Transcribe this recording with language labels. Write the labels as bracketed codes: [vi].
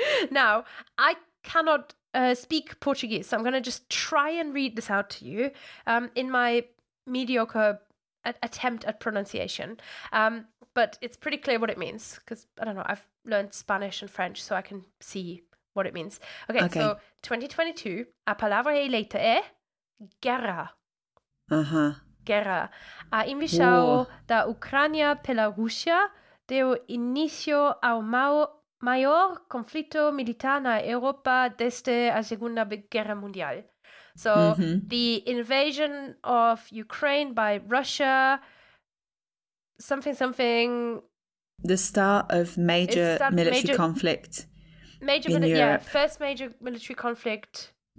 [en] Now, I cannot speak Portuguese, so I'm going to just try and read this out to you in my mediocre attempt at pronunciation. But it's pretty clear what it means because, I don't know, I've learned Spanish and French, so I can see what it means. Okay, okay. So [pt] 2022, a palavra e letra é guerra. Uh-huh. Guerra. A invasão da Ucrânia pela Rússia deu início ao maior conflito militar na Europa desde a Segunda Guerra Mundial. [en] So the invasion of Ukraine by Russia, something, something. The start of major military conflict. Major, in Europe. Yeah, first major military conflict